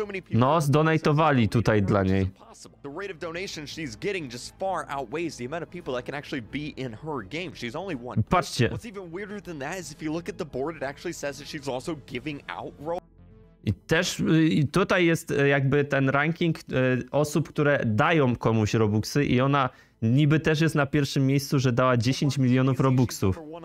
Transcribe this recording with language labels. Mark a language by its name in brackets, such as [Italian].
[Polish] No, zdonatowali tutaj dla niej. [English] The rate of donation she's getting just far outweighs the amount of people that can actually be in her game. She's only one. [Polish] Patrzcie. [English] What's even weirder than that is if you look at the board, it actually says that she's also giving out Robux. [Polish] I też i tutaj jest jakby ten ranking osób, które dają komuś Robuxy i ona niby też jest na pierwszym miejscu, że dała 10 milionów Robuxów.